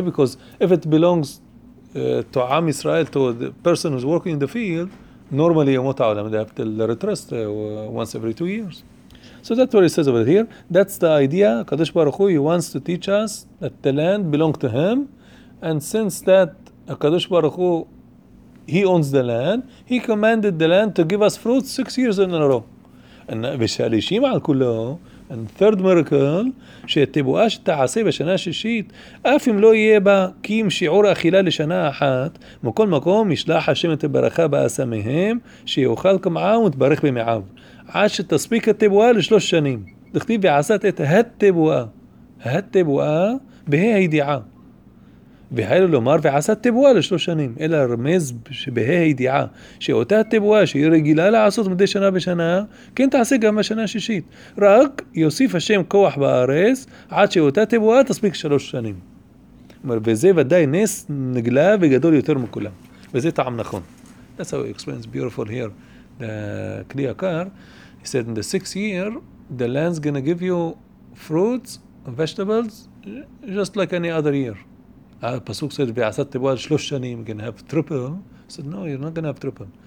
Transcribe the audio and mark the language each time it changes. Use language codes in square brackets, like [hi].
[en] Because if it belongs to Am Israel, to the person who's working in the field, normally Umat HaOlam, they have to let it rest once every 2 years. So that's what he says over here. That's the idea. Kadosh Baruch Hu, he wants to teach us that the land belongs to him. And since that Kadosh Baruch Hu, he owns the land, he commanded the land to give us fruits 6 years in a row. And Vishalishim al kulo. And third miracle, [he] שתבואה שתעשה בשנה שישית, אף אם לא יהיה בה, כי אם שיעור אכילה לשנה אחת, מכל מקום ישלח השם את הברכה באסמיהם, שיוכל כמעה ותברך במעב. עד שתספיק התבואה לשלוש שנים. לכתיב ועשת את התבואה. התבואה בה הידיעה. והיה לומר ועשת תבואה לשלוש שנים. אלא רמז שבה הידיעה. שאותה התבואה שהיא רגילה לעשות מדי שנה בשנה, כן תעשה גם בשנה השישית. רק יוסיף השם כוח בארץ, עד שאותה תבואה תספיק 3 שנים. וזה ודאי נס נגלה וגדול יותר מכולם. וזה טעם נכון. [en] That's how he explains beautiful here. The Kli Yakar, he said, in the 6 year, the land's gonna give you fruits and vegetables just like any other year. Pasuk said, "Ve'asat tebu'ah shlosh shanim," gonna have triple. He said, "No, you're not gonna have triple.